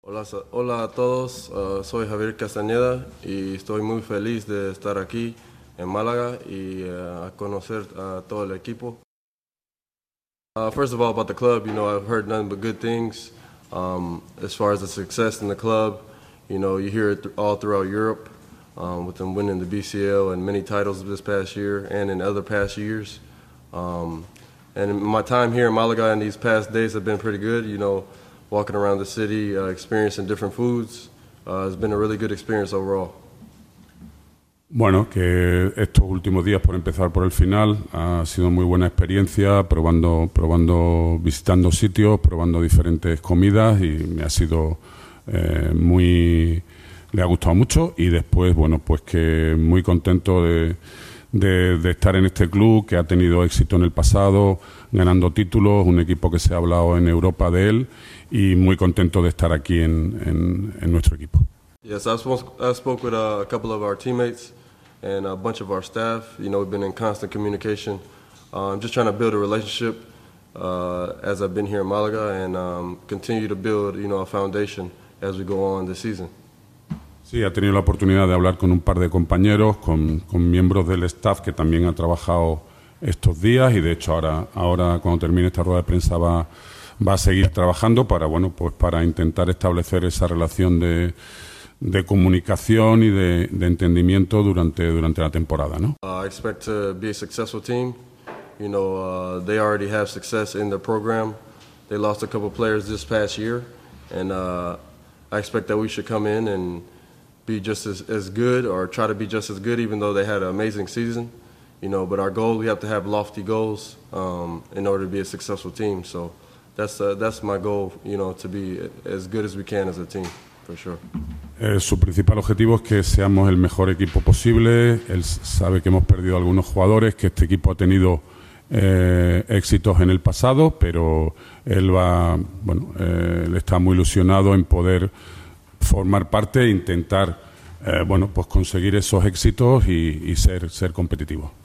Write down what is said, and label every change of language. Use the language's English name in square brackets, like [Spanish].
[Spanish] Hola a todos, soy Javier Castañeda y estoy muy feliz de estar aquí en Málaga y a conocer a todo el equipo. [English] First of all, about the club, I've heard nothing but good things as far as the success in the club. You hear it all throughout Europe with them winning the BCL and many titles this past year and in other past years. And my time here in Málaga in these past days have been pretty good, Walking around the city, experiencing different foods, has been a really good experience overall. [Spanish] Bueno, que estos últimos días, por empezar por el final, ha sido muy buena experiencia, probando, visitando sitios, probando diferentes comidas y me ha sido muy, le ha gustado mucho y después, bueno, pues que muy contento de estar en este club que ha tenido éxito en el pasado, ganando títulos, un equipo que se ha hablado en Europa de él y muy contento de estar aquí en nuestro equipo. [English] Yes, I spoke with a couple of our teammates and a bunch of our staff. We've been in constant communication. I'm just trying to build a relationship as I've been here in Malaga and continue to build, a foundation as we go on this season. [Spanish] Sí, ha tenido la oportunidad de hablar con un par de compañeros, con miembros del staff que también ha trabajado estos días y de hecho ahora cuando termine esta rueda de prensa va a seguir trabajando para, bueno, pues para intentar establecer esa relación de comunicación y de entendimiento durante la temporada, ¿no? [English] I expect to be a successful team. They already have success in the program. They lost a couple of players this past year, and I expect that we should come in and be just as good, or try to be just as good, even though they had an amazing season. But our goal, we have to have lofty goals in order to be a successful team. So that's my goal. To be as good as we can as a team, for sure. [Spanish] Su principal objetivo es que seamos el mejor equipo posible. Él sabe que hemos perdido algunos jugadores, que este equipo ha tenido éxitos en el pasado, pero él va, bueno, él está muy ilusionado en poder formar parte e intentar, bueno, pues conseguir esos éxitos y ser competitivo.